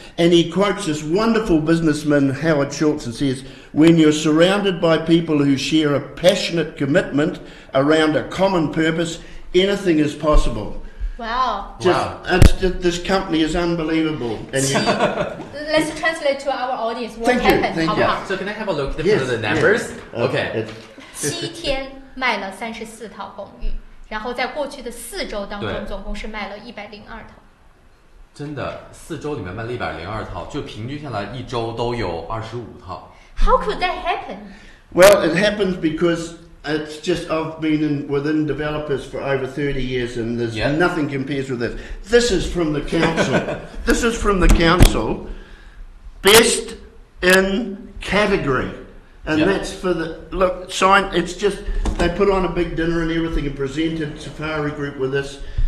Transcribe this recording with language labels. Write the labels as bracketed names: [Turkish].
[English] And he quotes this wonderful businessman, Howard Schultz, and says, when you're surrounded by people who share a passionate commitment around a common purpose, anything is possible. Wow. This company is unbelievable. And you, let's translate to our audience. What thank you. Happened, thank you. So can I have a look at the numbers? Yes, okay. [Chinese] 七天卖了34套公寓，然后在过去的四周当中，总共是卖了102套。真的，四周里面卖了102套，就平均下来一周都有25套。 [English] How could that happen? Well, it happens because... It's just, I've been within developers for over 30 years and there's nothing compares with this. This is from the council. This is from the council. Best in category. And that's for the, look, sign, it's just, they put on a big dinner and everything and presented Safari Group with this.